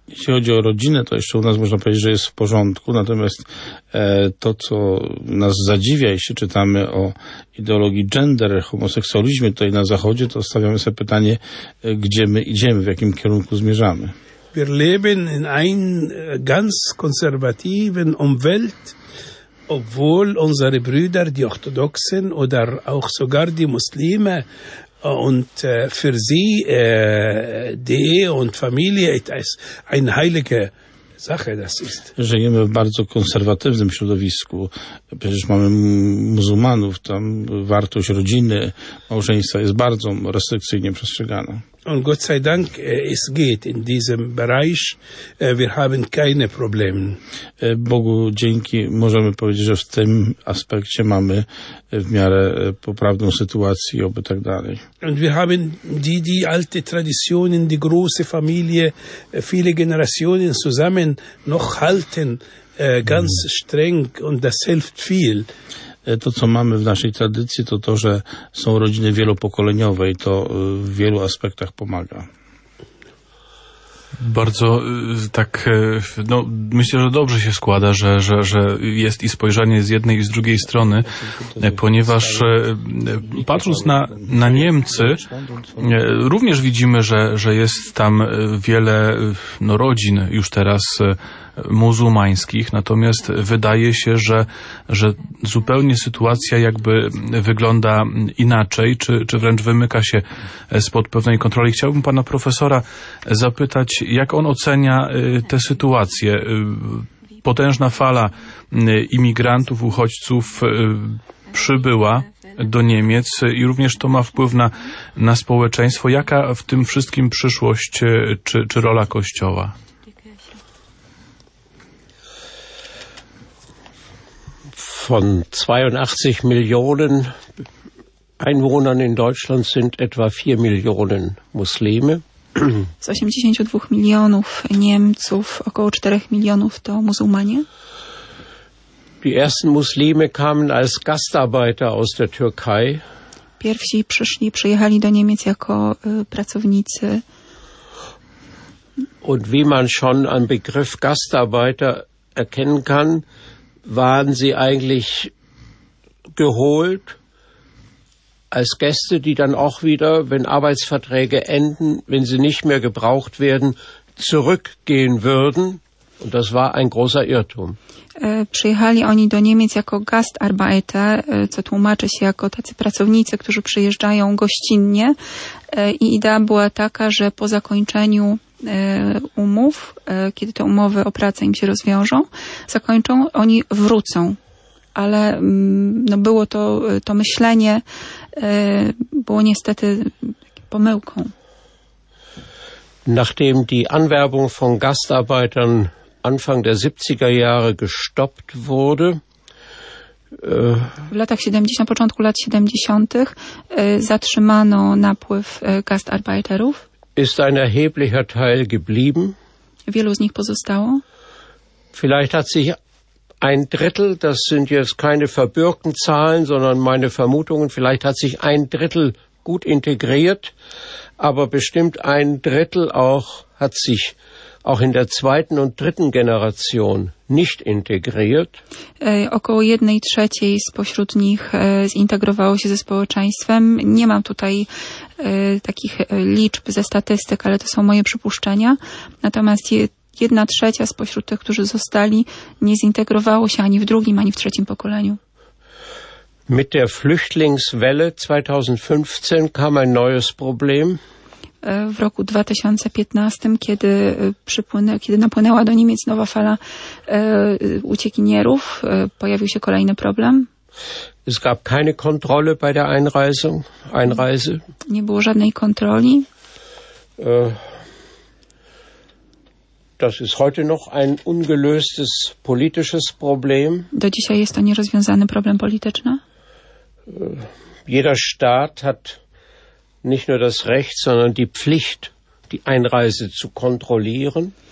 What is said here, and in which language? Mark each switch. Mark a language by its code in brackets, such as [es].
[pl] Jeśli chodzi o rodzinę, to jeszcze u nas można powiedzieć, że jest w porządku, natomiast to, co nas zadziwia, jeśli czytamy o ideologii gender, homoseksualizmie tutaj na Zachodzie, to stawiamy sobie pytanie, gdzie my idziemy, w jakim kierunku zmierzamy. [de] Wir leben in einer ganz konservativen Umwelt, obwohl unsere Brüder, die Orthodoxen oder auch sogar die Muslime, und für sie die Ehe und Familie ist eine heilige Sache, das ist. [pl] Żyjemy w bardzo konserwatywnym środowisku. Przecież mamy muzułmanów, tam wartość rodziny, małżeństwa jest bardzo restrykcyjnie przestrzegana. [de] Und Gott sei Dank, es geht in diesem Bereich, wir haben keine Probleme. [pl] Bogu dzięki, możemy powiedzieć, że w tym aspekcie mamy w miarę poprawną sytuację, oby tak dalej. [de] Und wir haben die alte Traditionen, die große Familie, viele Generationen zusammen noch halten, ganz streng, und das hilft viel. [pl] To, co mamy w naszej tradycji, to to, że są rodziny wielopokoleniowe i to w wielu aspektach pomaga. Bardzo tak, no myślę, że dobrze się składa, że jest i spojrzenie z jednej i z drugiej strony, ponieważ patrząc na Niemcy, również widzimy, że jest tam wiele no, rodzin już teraz muzułmańskich, natomiast wydaje się, że zupełnie sytuacja jakby wygląda inaczej, czy wręcz wymyka się spod pewnej kontroli. Chciałbym pana profesora zapytać, jak on ocenia tę sytuację? Potężna fala imigrantów, uchodźców przybyła do Niemiec i również to ma wpływ na społeczeństwo. Jaka w tym wszystkim przyszłość czy rola Kościoła? [de] Von 82 Millionen Einwohnern in Deutschland sind etwa 4 Millionen Muslime. [pl] Z 82 milionów Niemców około 4 milionów to muzułmanie. [de] Die ersten Muslime kamen als Gastarbeiter aus der Türkei. [pl] Pierwsi przyjechali do Niemiec jako pracownicy. [de] Und wie man schon am Begriff Gastarbeiter erkennen kann, waren sie eigentlich geholt als Gäste, die dann auch wieder, wenn Arbeitsverträge enden, wenn sie nicht mehr gebraucht werden, zurückgehen würden. Und das war ein großer Irrtum. [pl] Przyjechali oni do Niemiec jako Gastarbeiter, co tłumaczy się jako tacy pracownicy, którzy przyjeżdżają gościnnie. I idea była taka, że po zakończeniu umów, kiedy te umowy o pracę im się rozwiążą, zakończą, oni wrócą. Ale no było to myślenie było niestety pomyłką. [de] Nachdem die Anwerbung von Gastarbeitern Anfang der 70er Jahre gestoppt wurde. [pl] W latach 70, na początku lat 70. Zatrzymano napływ gastarbeiterów. [de] Ist ein erheblicher Teil geblieben. [pl] Wielu z nich pozostało. [de] Vielleicht hat sich ein Drittel, das sind jetzt keine verbürgten Zahlen, sondern meine Vermutungen, vielleicht hat sich ein Drittel gut integriert, aber bestimmt ein Drittel auch hat sich auch in der zweiten und dritten Generation nicht integriert. [pl] Około jednej trzeciej spośród nich zintegrowało się ze społeczeństwem. Nie mam tutaj takich liczb ze statystyk, ale to są moje przypuszczenia. Natomiast jedna trzecia spośród tych, którzy zostali, nie zintegrowało się ani w drugim, ani w trzecim pokoleniu. [de] Mit der Flüchtlingswelle 2015 kam ein neues Problem. [pl] W roku 2015, kiedy napłynęła do Niemiec nowa fala uciekinierów, pojawił się kolejny problem. [de] Es gab keine Kontrolle bei der Einreise. [pl] Nie było żadnej kontroli. [de] Das ist heute noch ein ungelöstes politisches Problem. [pl] Do dzisiaj jest to nierozwiązany problem polityczny. [de] Jeder Staat hat nicht nur das Recht, sondern die Pflicht, die Einreise zu kontrollieren.